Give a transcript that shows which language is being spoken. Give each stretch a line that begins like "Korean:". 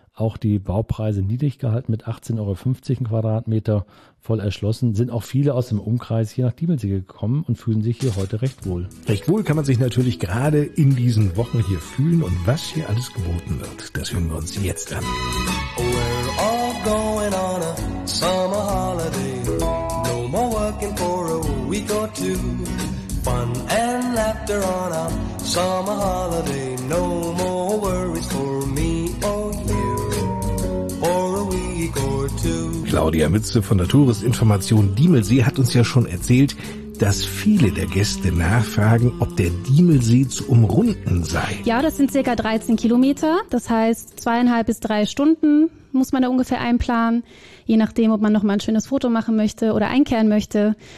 German: auch die Baupreise niedrig gehalten mit 18,50 Euro im Quadratmeter, voll erschlossen, sind auch viele aus dem Umkreis hier nach Diemelsee gekommen und fühlen sich hier heute recht wohl. Recht wohl kann man sich natürlich gerade in diesen Wochen hier fühlen, und was hier alles geboten wird, das hören wir uns jetzt an.
English: We're all going on a summer holiday. No more working for a week or two. Fun and laughter on a summer holiday. No more worries for me or you. For a week or two.
German: Claudia Mütze von der Touristinformation Diemelsee hat uns ja schon erzählt, dass viele der Gäste nachfragen, ob der Diemelsee zu umrunden sei. Ja, das sind circa 13 Kilometer. Das heißt, 2,5 bis 3 Stunden muss man da ungefähr einplanen, je nachdem, ob man nochmal ein schönes Foto machen möchte oder einkehren möchte.